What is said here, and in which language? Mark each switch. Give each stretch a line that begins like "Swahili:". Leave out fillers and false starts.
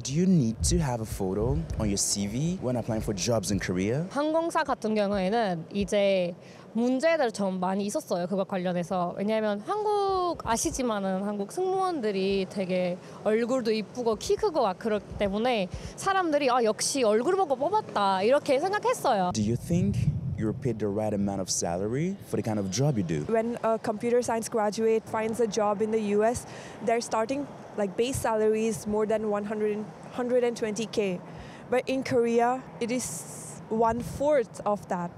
English: you need to have a photo on your CV when applying for jobs in Korea?
Korean: 항공사 같은 경우에는 이제 문제들 좀 많이 있었어요. 그거 관련해서. 왜냐면 한국 아시지만은 한국 승무원들이 되게 얼굴도 이쁘고 키 크고 막 그렇기 때문에 사람들이 아 역시 얼굴 보고 뽑았다. 이렇게 생각했어요.
English: Do you think you're paid the right amount of salary for the kind of job you do? When a computer science graduate finds a job in the US, their starting like base salary is more than 120K. But in Korea, it is 1/4 of that.